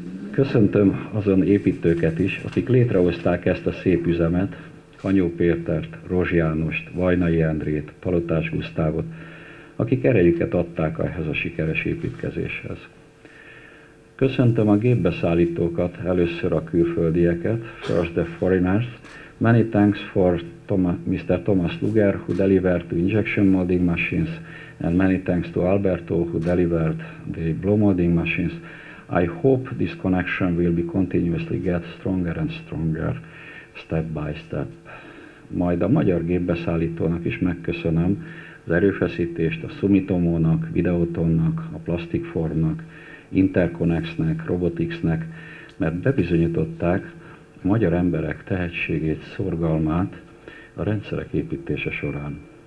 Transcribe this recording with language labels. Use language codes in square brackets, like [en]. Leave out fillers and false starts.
[hu] Köszöntöm azon építőket is, akik létrehozták ezt a szép üzemet, Kanyó Pétert, Rozs Jánost, Vajnai Endrét, Palotás Gusztávot, akik erejüket adták ehhez a sikeres építkezéshez. Köszöntöm a gépbeszállítókat, először a külföldieket, [en] first the foreigners. Many thanks for Mr. Thomas Luger, who delivered injection molding machines, and many thanks to Alberto, who delivered the blow molding machines. I hope this connection will be continuously get stronger and stronger, step by step. [hu] Majd a magyar gépbeszállítónak is megköszönöm az erőfeszítést, a Sumitomo-nak, Videotonnak, a Plastikformnak, Interconnexnek, Robotixnek, mert bebizonyították a magyar emberek tehetségét, szorgalmát a rendszerek építése során.